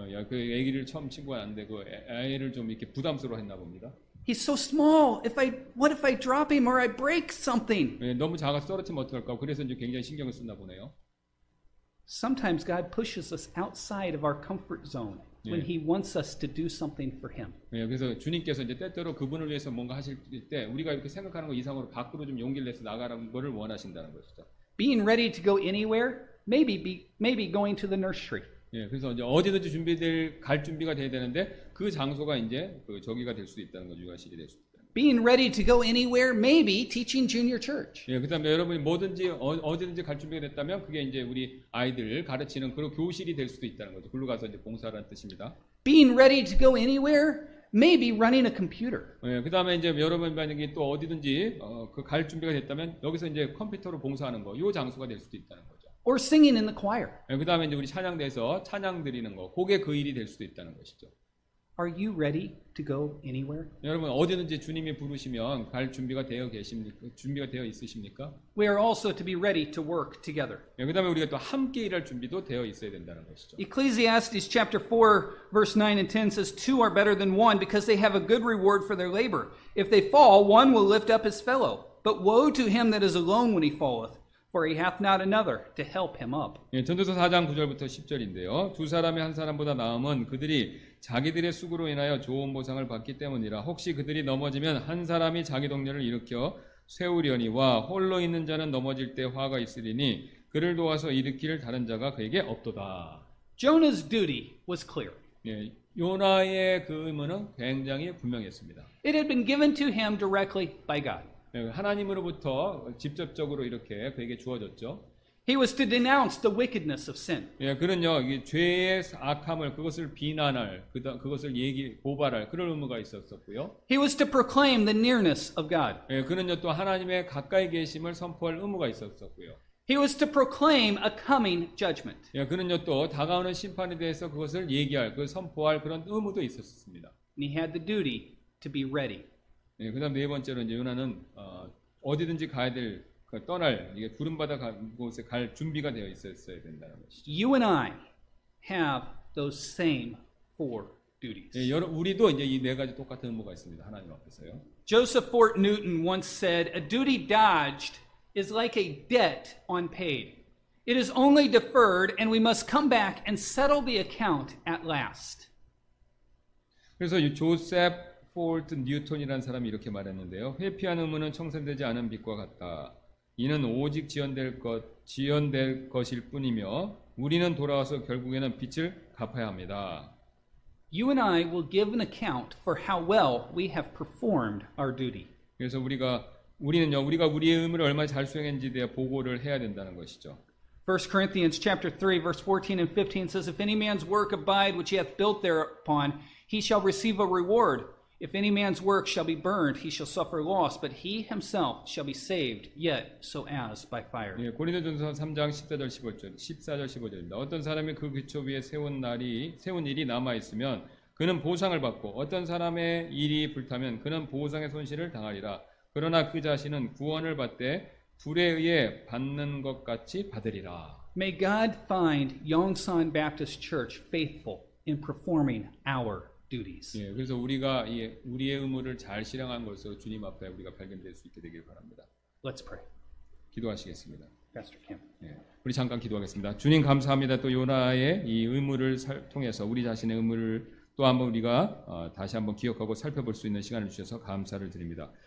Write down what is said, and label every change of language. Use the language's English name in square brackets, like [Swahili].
[Korean] 야, 그 아기를 처음 친구가 안 되고 아이를 좀 이렇게 부담스러워 했나 봅니다. [English] He's so small. What if I drop him or I break something? [Korean] 예, 너무 작아서 떨어뜨리면 어떡할까? 그래서 이제 굉장히 신경을 쓰나 보네요. [English] Sometimes God pushes us outside of our comfort zone when 예. He wants us to do something for Him. [Korean] 예, 그래서 주님께서 이제 때때로 그분을 위해서 뭔가 하실 때 우리가 이렇게 생각하는 것 이상으로 밖으로 좀 용기를 내서 나가라는 것을 원하신다는 것이죠. [English] Being ready to go anywhere, maybe going to the nursery. [Korean] 예, 그래서 이제 어디든지 갈 준비가 돼야 되는데 그 장소가 이제 그 저기가 될 수도 있다는 거 유아실이 될 수 있다. [English] Being ready to go anywhere, maybe teaching junior church. [Korean] 예, 그다음에 여러분이 뭐든지 어디든지 갈 준비가 됐다면 그게 이제 우리 아이들을 가르치는 그런 교실이 될 수도 있다는 거죠. 그걸로 가서 이제 봉사라는 뜻입니다. [English] Being ready to go anywhere, maybe running a computer. [Korean] 예, 그다음에 이제 여러분 만약에 또 어디든지 그 갈 준비가 됐다면 여기서 이제 컴퓨터로 봉사하는 거, 요 장소가 될 수도 있다는 거죠. [English] Or singing in the choir. [Korean] 예, 그다음에 이제 우리 찬양대에서 찬양 드리는 거, 그게 그 일이 될 수도 있다는 것이죠. [English] Are you ready to go anywhere? [Korean] 여러분 어디든지 주님이 부르시면 갈 준비가 되어 계십니까? 준비가 되어 있으십니까? [English] We are also to be ready to work together. [Korean] 예, 그다음에 우리가 또 함께 일할 준비도 되어 있어야 된다는 것이죠. [English] Ecclesiastes chapter 4 verse 9 and 10 says two are better than one because they have a good reward for their labor. If they fall, one will lift up his fellow. But woe to him that is alone when he falleth. For he hath not another to help him up. [Korean] 예, 전도서 4장 9절부터 10절인데요. 두 사람이 한 사람보다 나음은 그들이 자기들의 수고로 인하여 좋은 보상을 받기 때문이라. 혹시 그들이 넘어지면 한 사람이 자기 동료를 일으켜 세우려니와 홀로 있는 자는 넘어질 때 화가 있으리니 그를 도와서 일으킬 다른 자가 그에게 없도다. [English] Jonah's duty was clear. [Korean] 예, 요나의 그 의무는 굉장히 분명했습니다. [English] It had been given to him directly by God. [Korean] 하나님으로부터 직접적으로 이렇게 그에게 주어졌죠. [English] He was to denounce the wickedness of sin. [Korean] 예, 그런요. 이 죄의 악함을 그것을 비난할 그것을 고발할 그런 의무가 있었었고요. [English] He was to proclaim the nearness of God. [Korean] 예, 그런요. 또 하나님의 가까이 계심을 선포할 의무가 있었었고요. [English] He was to proclaim a coming judgment. [Korean] 예, 그런요. 또 다가오는 심판에 대해서 그것을 얘기할 그 선포할 그런 의무도 있었습니다. [English] He had the duty to be ready. [Korean] 예, 그다음 네 번째로 이제 요나는 어디든지 가야 될 떠날 이게 부름 받아 곳에 갈 준비가 되어 있었어야 된다는 것이죠. [English] You and I have those same four duties. [Korean] 예, 여러분 우리도 이제 이 네 가지 똑같은 의무가 있습니다. 하나님 앞에서요. [English] Joseph Fort Newton once said, "A duty dodged is like a debt unpaid. It is only deferred, and we must come back and settle the account at last." [Korean] 그래서 이 조셉 폴트 뉴턴이라는 사람이 이렇게 말했는데요. 회피한 의무는 청산되지 않은 빚과 같다. 이는 오직 지연될 것일 뿐이며 우리는 돌아와서 결국에는 빚을 갚아야 합니다. [English] You and I will give an account for how well we have performed our duty. [Korean] 그래서 우리가 우리의 의무를 얼마나 잘 수행했는지에 대해 보고를 해야 된다는 것이죠. [English] 1 Corinthians chapter 3 verse 14 and 15 says if any man's work abide which he hath built thereupon he shall receive a reward. If any man's work shall be burned, he shall suffer loss, but he himself shall be saved, yet so as by fire. [Korean] 예, 고린도전서 3장 14절 15절. 14절 15절입니다. 어떤 사람이 그 기초 위에 세운 일이 남아 있으면 그는 보상을 받고 어떤 사람의 일이 불타면 그는 보상의 손실을 당하리라. 그러나 그 자신은 구원을 받되 불에 의해 받는 것 같이 받으리라. [English] May God find Yongsan Baptist Church faithful in performing our duties. [Korean] 예, 그래서 우리가 이 우리의 의무를 잘 실행한 것으로 주님 앞에 우리가 발견될 수 있게 되길 바랍니다. [English] Let's pray. [Korean] 기도하시겠습니다. [English] Pastor Kim. [Korean] 예, 우리 잠깐 기도하겠습니다. 주님 감사합니다. 또 요나의 이 의무를 통해서 우리 자신의 의무를 또 한번 우리가 다시 한번 기억하고 살펴볼 수 있는 시간을 주셔서 감사를 드립니다.